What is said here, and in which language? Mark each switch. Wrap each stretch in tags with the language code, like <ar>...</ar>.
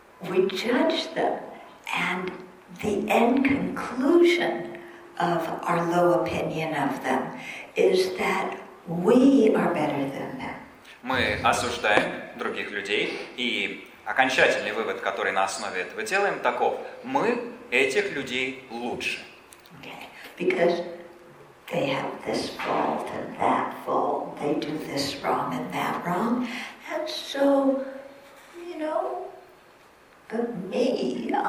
<en>We judge them, and the end conclusion of our low opinion of them is that we are better than them.</en> <ru>Мы осуждаем других людей, и окончательный вывод, который на основе этого делаем, таков: мы этих людей лучше.</ru> <en>Okay. Because they have this fault and that fault, they do this wrong and that wrong, and so, you know. But me,</en>